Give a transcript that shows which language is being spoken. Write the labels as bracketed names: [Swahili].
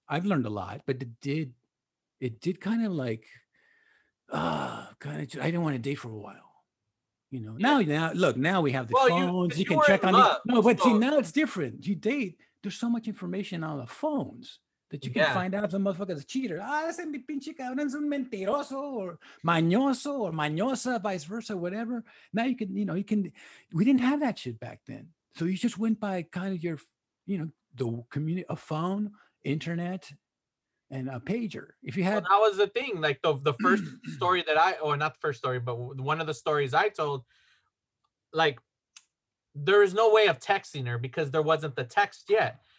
[English] I've learned a lot, but it did kind of like, I didn't want to date for a while, you know. Now we have the phones, you can check on it. No, but see, now it's different. You date, there's so much information on the phones. That you can find out if the motherfucker's a cheater. [Spanish] Ese mi pinche cabrón es un mentiroso or mañoso or mañosa, [English] vice versa, whatever. Now you can, you know, you can. We didn't have that shit back then. So you just went by kind of your, you know, the community, a phone, internet, and a pager. If you had. Well, that was the thing. Like the first story that I, or not the first story, but one of the stories I told, like, there is no way of texting her because there wasn't the text yet.